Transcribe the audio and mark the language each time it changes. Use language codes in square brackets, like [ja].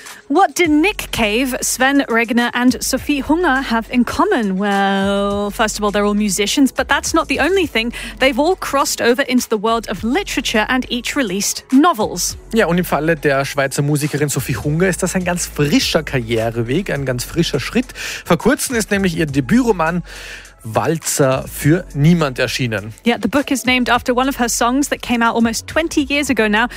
[en] What did Nick Cave, Sven Regner and Sophie Hunger have in common? Well, first of all, they're all musicians, but that's not the only thing. They've all crossed over into the world of literature and each released novels. [de] Ja, und im Falle der Schweizer Musikerin Sophie Hunger ist das ein ganz frischer Karriereweg, ein ganz frischer Schritt. Vor kurzem ist nämlich ihr Debütroman Walzer für niemand erschienen. [en] Yeah, the book is named after one of her songs that came out almost 20 years ago now.